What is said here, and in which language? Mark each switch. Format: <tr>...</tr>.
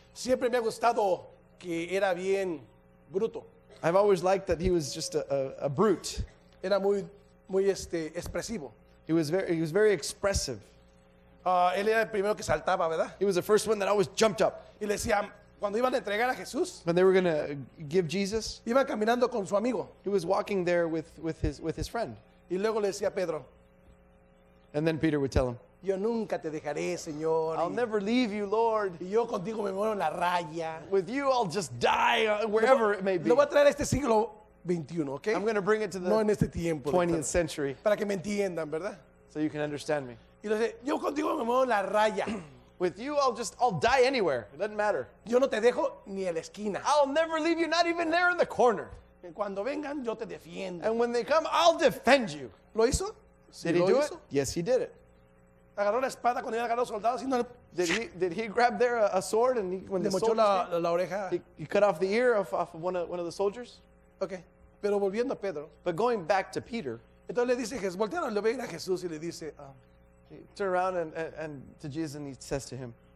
<es>Siempre me ha gustado que era bien bruto.</es> <en>I've always liked that he was just a brute.</en> <es>Era muy muy este expresivo.</es> <en>He was very expressive.</en> <es>Él era el primero que saltaba, ¿verdad?</es> <en>He was the first one that always jumped up.</en> <es>Y le decía, cuando iban a entregar a Jesús,</es> <en>when they were going to give Jesus,</en> <es>iba caminando con su amigo.</es> <en>He was walking there with his friend.</en> <es>Y luego le decía a Pedro.</es> <en>And then Peter would tell him,</en> <es>yo nunca te dejaré, Señor.</es> <en>I'll never leave you, Lord.</en> <es>Y yo contigo me muero en la raya.</es> <en>With you, I'll just die wherever it may be.</en> <es>Lo voy a traer a este siglo 21, ¿ok?</es> <en>I'm going to bring it to the</en> <es>no en este tiempo,</es> <en>20th century.</en> <es>Para que me entiendan, ¿verdad?</es> <en>So you can understand me.</en> <es>Y le dice, yo contigo me muero en la raya.</es> <en>With you, I'll die anywhere. It doesn't matter.</en> <es>Yo no te dejo ni a la esquina.</es> <en>I'll never leave you, not even there in the corner.</en> <es>Y cuando vengan, yo te defiendo.</es> <en>And when they come, I'll defend you.</en> <es>¿Lo hizo?</es> <en>Did he do it? Yes, he did it.</en> <es>Agarró la espada cuando iba a agarrar los soldados y no.</es> <en>Did he grab there a sword and he, when</en> <es>le</es> <en>the</en> <es>mochó la oreja.</es> <en>He cut off the ear of one of the soldiers.</en> <es>Okay. Pero volviendo a Pedro.</es> <en>But going back to Peter.</en> <es>Entonces le dice Jesús, voltearon, le ven a Jesús y le dice.</es> <en>Turn around and to Jesus and he says to him.</en>